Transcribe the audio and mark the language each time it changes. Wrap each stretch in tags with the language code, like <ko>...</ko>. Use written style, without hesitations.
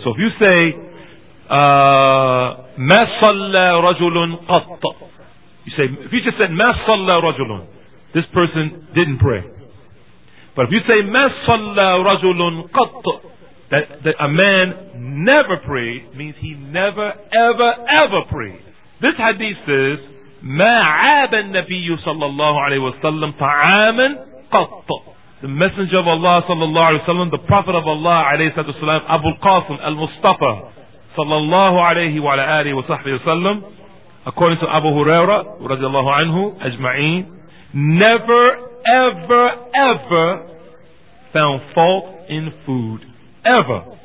<en>So if you say, ma salla rajulun qat. You say, if you just said, ma salla rajulun, this person didn't pray. But if you say, ma salla rajulun qat, that a man never prayed, means he never, ever, ever prayed. This hadith says,</en> <ar>ما عاب النبي صلى الله عليه وسلم طعاما قط.</ar> <en>The Messenger of Allah</en> <ar>صلى الله عليه وسلم,</ar> <en>the Prophet of Allah</en> <ar>عليه الصلاة والسلام,</ar> <en>Abu al-Qasim al-Mustafa</en> <ar>صلى الله عليه وعلى آله وصحبه وسلم,</ar> <en>according to Abu Huraira</en> <ar>رضي الله عنه أجمعين,</ar> <en>never ever ever found fault in food. Ever.</en>